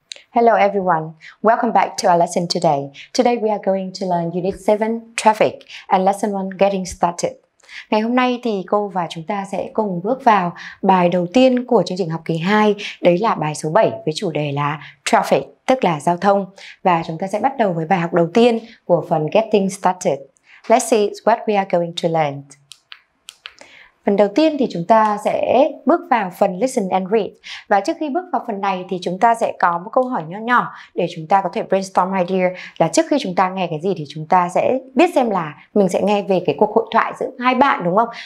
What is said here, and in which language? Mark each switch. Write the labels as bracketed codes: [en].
[en] Hello everyone, welcome back to our lesson today. Today we are going to learn Unit 7 Traffic and Lesson 1 Getting Started. [vi] Ngày hôm nay thì cô và chúng ta sẽ cùng bước vào bài đầu tiên của chương trình học kỳ 2, đấy là bài số 7 với chủ đề là Traffic, tức là giao thông. Và chúng ta sẽ bắt đầu với bài học đầu tiên của phần Getting Started. [en] Let's see what we are going to learn. [vi] Phần đầu tiên thì chúng ta sẽ bước vào phần listen and read. Và trước khi bước vào phần này thì chúng ta sẽ có một câu hỏi nhỏ nhỏ để chúng ta có thể brainstorm idea, là trước khi chúng ta nghe cái gì thì chúng ta sẽ biết xem là mình sẽ nghe về cái cuộc hội thoại giữa hai bạn, đúng không?